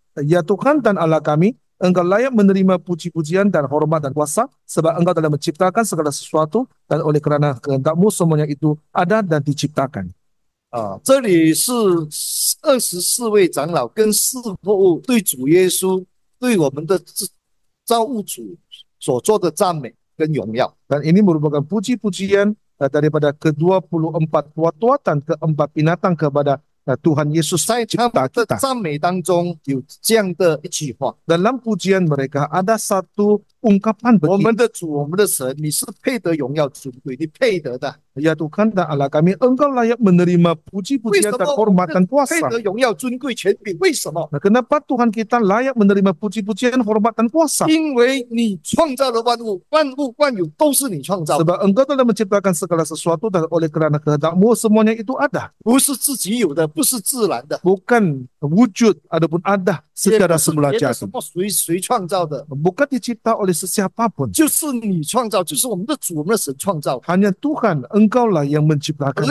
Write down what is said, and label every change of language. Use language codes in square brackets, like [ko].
[ms] Ya Tuhan dan Allah kami, Engkau layak menerima puji-pujian dan hormat dan kuasa, sebab Engkau telah menciptakan segala sesuatu, dan oleh kerana kehendak-Mu semuanya itu ada dan diciptakan. [zh] 这里是24位长老跟四活物对主耶稣对我们的造物主所做的赞美跟荣耀。 [ms] Dan ini merupakan puji-pujian daripada ke-24 tua-tua dan ke-4 binatang kepada Tuhan Yesus cipta kita. [zh] 在他们的赞美当中有这样的一句话， [ms] dalam pujian mereka ada satu ungkapan begini. [zh] 我们的主，我们的神，你是配得荣耀尊贵，你配得的。 [ms] Ya Tuhan dan Allah kami, Engkau layak menerima puji-pujian dan hormat dan kuasa. [zh] 为什么我们的配得荣耀尊贵权柄？为什么？ [ms] Nah, kenapa Tuhan kita layak menerima puji-pujian, hormat dan kuasa? [zh] 因为你创造了万物，万物万有都是你创造的。 [ms] Sebab Engkau telah menciptakan segala sesuatu dan oleh kerana kehendak-Mu semuanya itu ada. [zh] 不是自己有的，不是自然的。 [ms] Bukan wujud ataupun ada secara semula jadi. [zh] 也不是谁创造的。 [ms] Bukan dicipta oleh sesiapapun. [zh] 就是你创造，就是我们的主，我们的神创造。 [ms] Hanya Tuhan, Engkau lah yang menciptakannya.